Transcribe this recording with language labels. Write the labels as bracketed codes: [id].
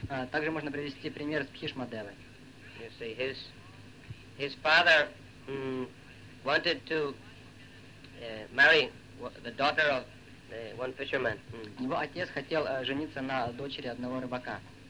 [ru] Также можно привести пример с Бхишма Девы. [en] You see, his father wanted to marry the daughter of one fisherman. [ru] Его отец хотел жениться на дочери одного рыбака.